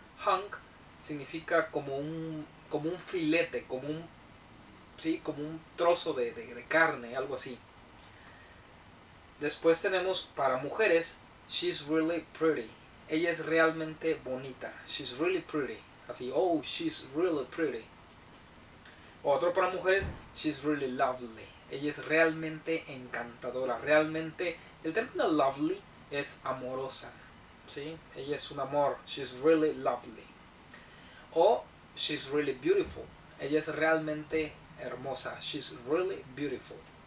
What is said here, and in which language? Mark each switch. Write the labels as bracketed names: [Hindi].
[Spanish] Hunk significa como un filete, como un trozo de carne, algo así. Después tenemos para mujeres, [English] she's really pretty. [Spanish] Ella es realmente bonita. [English] She's really pretty. Así, oh, she's really pretty. [Spanish] Otro para mujeres, [English] she's really lovely. [Spanish] Ella es realmente encantadora. Realmente, el término lovely es amorosa. ¿Sí? Ella es un amor. [English] She's really lovely. O, she's really beautiful. [Spanish] Ella es realmente hermosa. [English] She's really beautiful.